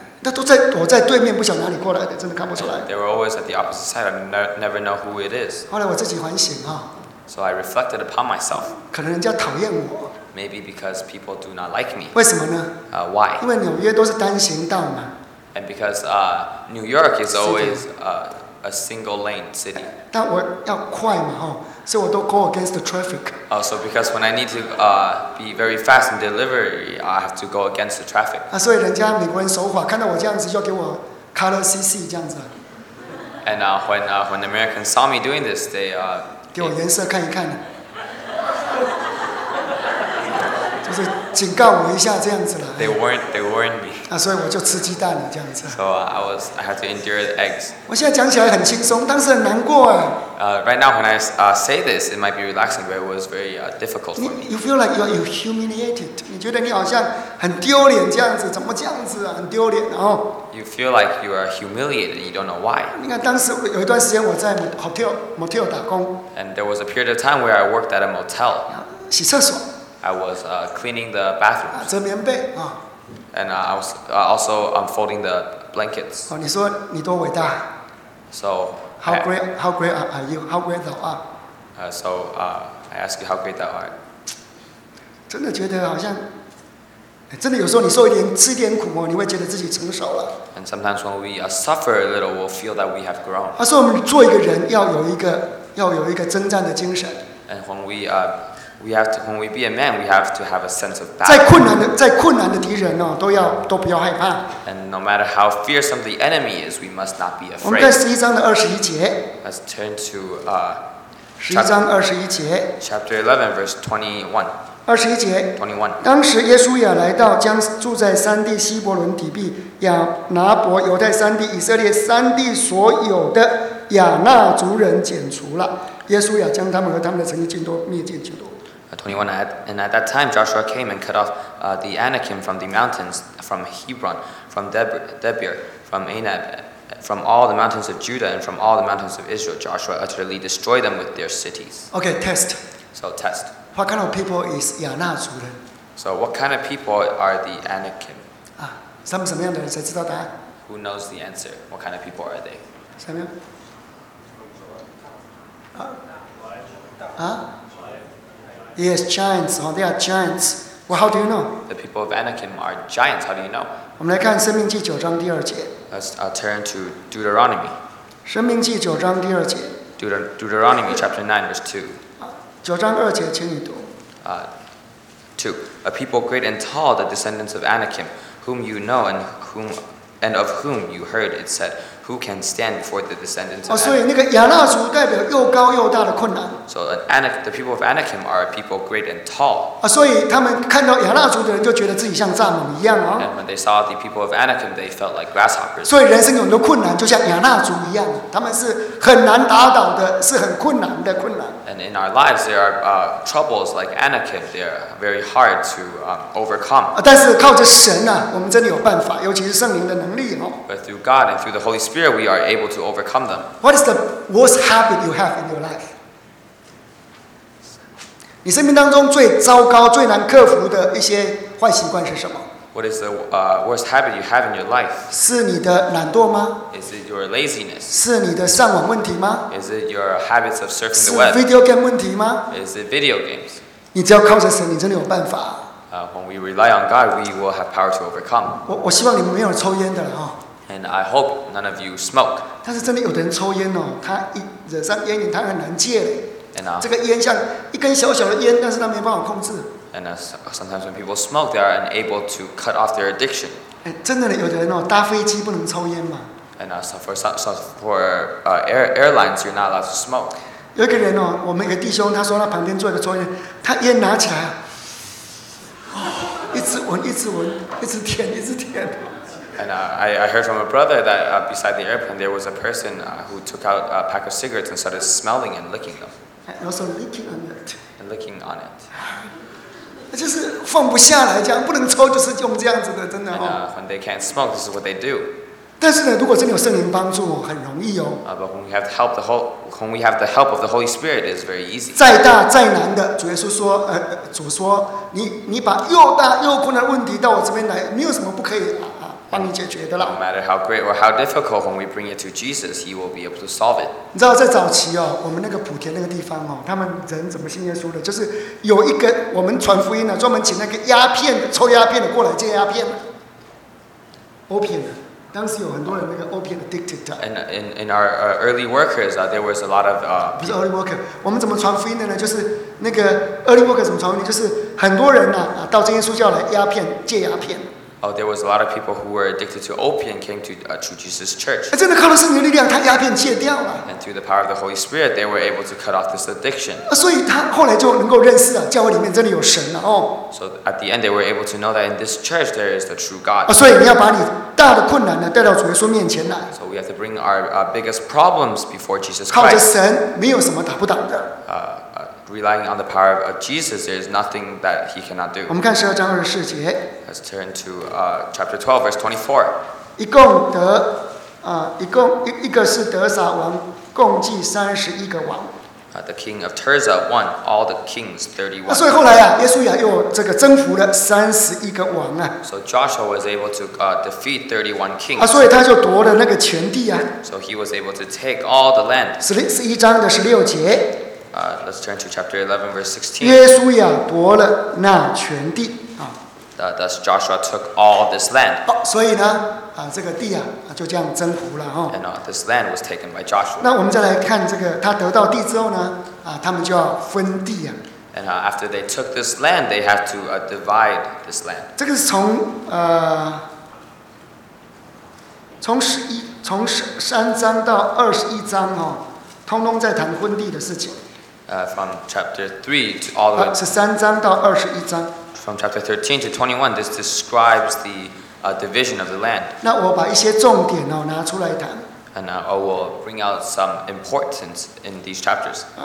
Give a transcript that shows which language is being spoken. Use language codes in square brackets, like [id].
[zh] 那都在躲在对面，不晓得哪里过来的，真的看不出来。 [en] They were always at the opposite side. I never know who it is. [zh] 后来我自己反省啊。 [en] So I reflected upon myself. [zh] 可能人家讨厌我。 [en] Maybe because people do not like me. [zh] 为什么呢？ [en] Why? [zh] 因为纽约都是单行道嘛。 [en] And because New York is always a single lane city. [zh] 但我要快嘛，吼，所以我都 [en] go against the traffic. So because when I need to be very fast in delivery, I have to go against the traffic. [zh] 所以人家美国人手滑，看到我这样子就给我 [en] color CC [zh] 这样子。 [en] And when Americans saw me doing this, they [zh] 给我颜色看一看。就是警告我一下这样子了。 [en] They warned me. [zh] 所以我就吃鸡蛋了这样子。 [en] So I had to endure the eggs. [zh] 我现在讲起来很轻松，当时很难过啊。 [en] Right now when I say this, it might be relaxing, but it was very difficult for me. You feel like you're humiliated. [zh] 你觉得你好像很丢脸这样子，怎么这样子啊？很丢脸，然后。 [en] You feel like you are humiliated. You don't know why. [zh] 你看当时有一段时间我在 motel 打工。 [en] And there was a period of time where I worked at a motel. [zh] 洗厕所。 [en] I was cleaning the bathroom. [zh] 折棉被啊。 [en] And I was also folding the blankets. [zh] 哦，你说你多伟大。 [en] So how great are you? How great thou art? I ask you how great thou art. [zh] 真的觉得好像，真的有时候你受一点吃一点苦哦，你会觉得自己成熟了。 [en] And sometimes when we suffer a little, we'll feel that we have grown. [zh] 所以我们做一个人要有一个征战的精神。 [en] And when we We have to, when we be a man, we have to have a sense of battle. [zh] 在困难的敌人哦，都不要害怕。 [en] And no matter how fearsome the enemy is, we must not be afraid. [zh] 我们看十一章的二十一节。 [en] Let's turn to [zh] 十一章二十一节。 [en] Chapter 11, verse 21. [zh] 二十一节。 [en] 21. [zh] 当时耶稣也来到，将住在山地希伯伦底壁亚拿伯犹太山地以色列山地所有的亚纳族人剪除了。耶稣也将他们和他们的城邑尽都灭尽尽都。 [en] 21, and at that time Joshua came and cut off the Anakim from the mountains, from Hebron, from Debir, from Anab, from all the mountains of Judah, and from all the mountains of Israel. Joshua utterly destroyed them with their cities. Okay, test. So test. What kind of people is Yanazuren? So what kind of people are the Anakim? [zh] 什么样的人才知道答案? [en] Who knows the answer? What kind of people are they? [zh] 什么样? [en] Yes, giants. Oh, they are giants. Well, how do you know? The people of Anakim are giants. How do you know? [zh] 我们来看《申命记》九章第二节。 [en] Let's turn to Deuteronomy. [zh] 申命记九章第二节。 [en] Deuteronomy chapter 9 verse 2. [zh] 九章二节，请你读。 [en] Two. A people great and tall, the descendants of Anakim, whom you know and whom and of whom you heard it said. Who can stand before the descendants of Anakim? [zh] 所以那个亚纳族代表又高又大的困难。 [en] So the people of Anakim are a people great and tall. [zh] 所以他们看到亚纳族的人就觉得自己像蚱蜢一样哦。 [en] And when they saw the people of Anakim, they felt like grasshoppers. [zh] 所以人生有很多困难，就像亚纳族一样，他们是很难打倒的，是很困难的困难。 [en] And in our lives, there are troubles like Anakim. They are very hard to overcome. [zh] 但是靠着神啊，我们真的有办法，尤其是圣灵的能力哦。 [en] But through God and through the Holy Spirit, we are able to overcome them. What is the worst habit you have in your life? [zh] 你生命当中最糟糕、最难克服的一些坏习惯是什么？ [en] What is the worst habit you have in your life? [zh] 是你的懒惰吗？ [en] Is it your laziness? [zh] 是你的上网问题吗？ [en] Is it your habits of surfing the web? [zh] 是 video game 问题吗？ [en] Is it video games? [zh] 你只要靠着神，你真的有办法。 [en] When we rely on God, we will have power to overcome. [zh] 我希望你们没有抽烟的了哈。 [en] And I hope none of you smoke. [zh] 但是真的有的人抽烟哦，他一惹上烟瘾，他很难戒嘞。 [en] And [zh] 这个烟像一根小小的烟，但是他没办法控制。 [en] And sometimes when people smoke, they are unable to cut off their addiction. [zh] 真的有的人哦，搭飞机不能抽烟嘛。 [en] And airlines, you're not allowed to smoke. [zh] 有一个人哦，我们一个弟兄，他说他旁边坐一个抽烟，他烟拿起来，一直闻，一直闻，一直舔，一直舔。 [en] And I heard from a brother that beside the airplane, there was a person who took out a pack of cigarettes and started smelling and licking them. And also licking on it. And licking on it. [zh] 就是放不下来，这样不能抽，就是用这样子的，真的哦。 [en] And when they can't smoke, this is what they do. [zh] 但是呢，如果真的有圣灵帮助，很容易哦。 [en] But when we have the help, when we have the help of the Holy Spirit, it's very easy. [zh] 再大再难的，主耶稣说，主说，你把又大又困难的问题到我这边来，没有什么不可以。帮你解决的了。 [en] No matter how great or how difficult, when we bring it to Jesus, He will be able to solve it. [zh] 你知道在早期哦，我们那个莆田那个地方哦，他们人怎么信耶稣的？就是有一个我们传福音的，专门请那个鸦片的、抽鸦片的过来戒鸦片的。 Opium, 当时有很多人那个 [en] opium addicted. In our early workers, there was a lot of [zh] 不是 [en] early worker， [zh] 我们怎么传福音的呢？就是那个 early worker 怎么传福音？就是很多人到真耶稣教来鸦片戒鸦片。 [en] Oh, there was a lot of people who were addicted to opium came to True Jesus Church. [zh] 真的靠着圣灵力量，他鸦片戒掉了。 [en] And through the power of the Holy Spirit, they were able to cut off this addiction. [zh] 所以他后来就能够认识啊，教会里面真的有神了哦。 [en] So at the end, they were able to know that in this church there is the true God. [zh] 所以你要把你大的困难呢带到主耶稣面前来。 [en] So we have to bring our biggest problems before Jesus Christ. [zh] 靠着神，没有什么打不倒的。 [en] Relying on the power of Jesus, there is nothing that he cannot do. [zh] 我们看十二章二十四节。 [en] Let's turn to chapter 12, verse 24. [zh] 一个是得撒王，共计三十一个王。 [en] The king of Tirzah won all the kings 31. [zh] 所以后来啊，耶稣啊又这个征服了三十一个王啊。 [en] So Joshua was able to defeat 31 kings. [zh] 所以他就夺了那个全地啊。 [en] So he was able to take all the land. [zh] 十一章的十六节。 [en] Let's turn to chapter 11, verse 16. [zh] 耶稣亚夺了那全地啊。 [en] Thus Joshua took all this land. [zh] 所以呢，这个地就这样征服了 [en] 哈。And this land was taken by Joshua. [zh] 那我们再来看这个，他得到地之后呢，他们就要分地啊。 [en] And after they took this land, they had to divide this land. [zh] 这个是从从十一从三章到二十一章哦，通通在谈婚地的事情。 [en] From chapter 3 to all the way. [zh] 十三章到二十一章。 [en] From chapter 13 to 21, this describes the division of the land. [zh] 那我把一些重点哦拿出来谈。 [en] And I will bring out some importance in these chapters.